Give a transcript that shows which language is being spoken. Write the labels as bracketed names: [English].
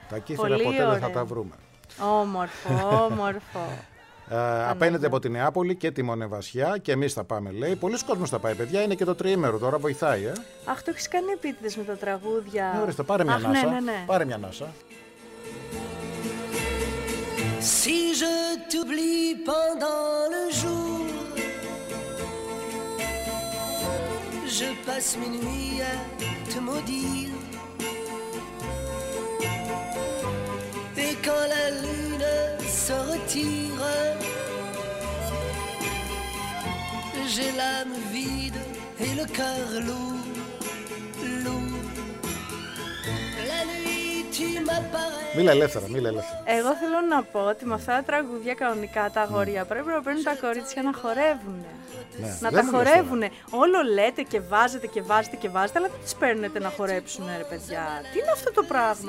[Greek] Τα Κύθρα πολύ ποτέ ωραία. Δεν θα τα βρούμε. Όμορφο, όμορφο. απέναντι από την Νεάπολη και τη Μονεβασιά και εμείς θα πάμε, λέει. Πολλοί κόσμος θα πάει, παιδιά. Είναι και το τριήμερο τώρα, βοηθάει. Αχ, το έχεις κάνει επίτηδες με τα τραγούδια. Ναι, ορίστε, πάρε μια ανάσα. Ναι, ναι. Πάρε μια ανάσα. [French] Si je t'oublie pendant le jour, je passe mes nuits à te maudire. Et quand la lune se retire, j'ai l'âme vide et le cœur lourd, lourd. La nuit tu m'apparais. [Greek] Μίλα ελεύθερα, μίλα ελεύθερα. Εγώ θέλω να πω ότι με αυτά τα τραγουδιά κανονικά τα αγόρια πρέπει να παίρνουν τα κορίτσια να χορεύουν. Ναι, να τα χορεύουν. Όλο λέτε και βάζετε και βάζετε και βάζετε, αλλά δεν τις παίρνετε να χορέψουν, ρε παιδιά. Τι είναι αυτό το πράγμα.